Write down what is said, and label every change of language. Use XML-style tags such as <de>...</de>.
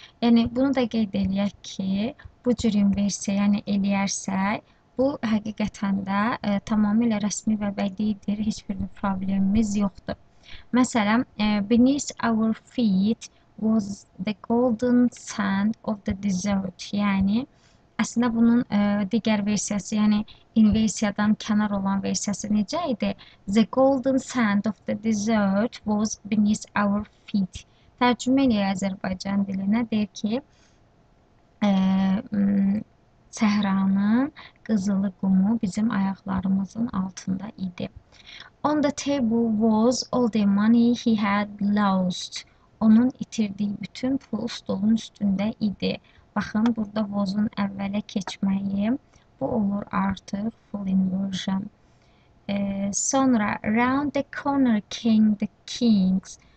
<az>Yəni, bunu da qeyd eləyək ki, bu cür inversiya, yəni eləyərsək, bu həqiqətən də tamamilə rəsmi və bədiidir. Heç bir problemimiz yoxdur. Məsələn,</az> <en>beneath our feet was the golden sand of the desert.</en> <az>Yəni, aslında bunun digər versiyası, yəni inversiyadan kənar olan versiyası necə idi?</az> <en>The golden sand of the desert was beneath our feet.</en> <az>Tərcümə eləyək Azərbaycan dilinə. Deyir ki, səhranın qızılı qumu bizim ayaqlarımızın altında idi.</az> <en>On the table was all the money he had lost.</en> <az>Onun itirdiği bütün pul stolun üstünde idi. Baxın, burada was'un əvvələ keçməyi. Bu olur artıq full inversion.</az> <en>Sonra, round the corner came the kings.</en>